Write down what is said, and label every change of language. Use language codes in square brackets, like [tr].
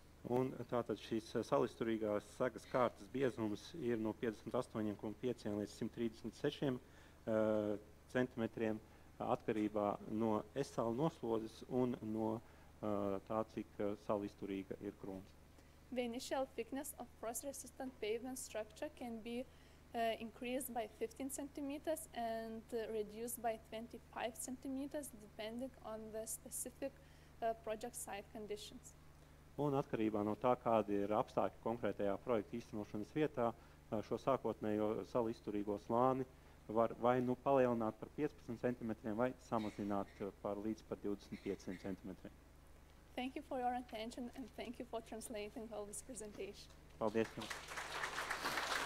[lv] Un tātad šīs salisturīgās sagas kārtas biezums ir no 58,5 līdz 136 centimetriem atkarībā no S-sala noslodzes un no tā, cik sala izturīga ir grunts. [en] The initial thickness of frost-resistant pavement structure can be increased by 15 cm and reduced by 25 cm depending on the specific project site conditions. [lv] Un atkarībā no tā, kādi ir apstākļi konkrētajā projekta īstenošanas vietā, šo sākotnējo sala izturīgo slāni var vai nu palielināt par 15 cm vai samazināt par līdz par 25 cm. [en] Thank you for your attention and thank you for translating all this presentation. [lv] Paldies jums.